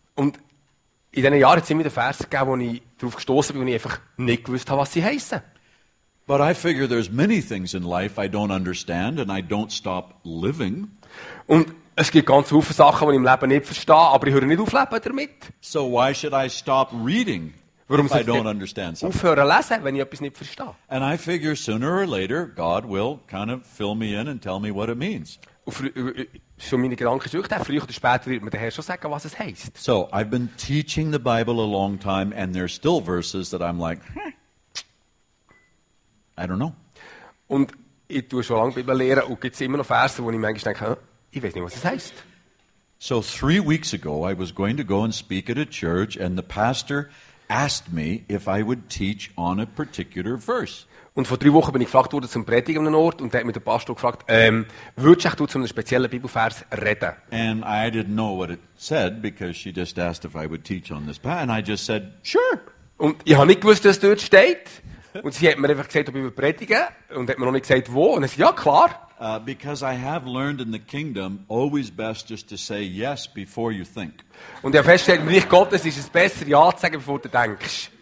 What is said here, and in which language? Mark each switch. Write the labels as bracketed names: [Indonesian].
[German] Und in diesen Jahren sind mir die Verse gegeben, wo ich darauf gestoßen bin, wo ich einfach nicht gewusst habe, was sie heißen. [English] But I figure there's many things in life I don't understand and I don't stop living. [German] Und es gibt ganz viele Sachen, die ich im Leben nicht verstehe, aber ich höre nicht auf leben damit. [English] So why should I stop reading? [German] Warum [English] I don't understand [German] aufhören lesen, wenn ich etwas nicht verstehe. [English] And I figure sooner or later God will kind of fill me in and tell me what it means. [German] So meine Gedanken sind, früher oder später wird mir der Herr schon sagen, was es heißt. [English] So I've been teaching the Bible a long time and there's still verses that I'm like I don't know. [German] Und ich tue schon lange Bibel lehren und gibt's immer noch Verse, wo ich manchmal denke, ich weiß nicht, was es heißt. [English] So 3 weeks ago I was going to go and speak at a church and the pastor asked me if I would teach on a particular verse. [German] Und vor 3 Wochen bin ich gefragt worden zum Predigen an einem Ort und der hat mit dem Pastor gefragt, würdest du zu einem speziellen Bibelvers reden? [English] And I didn't know what it said because she just asked if I would teach on this path and I just said, sure. [German] Und ich habe nicht gewusst, dass dort steht und sie hat mir einfach gesagt, ob ich predigen würde und hat mir noch nicht gesagt, wo und ich sagte, ja, klar. [English] Because I have learned in the kingdom, always best just to say yes before you think. [German] Und ich habe festgestellt, im Reich Gottes ist es besser, ja zu sagen, bevor du denkst.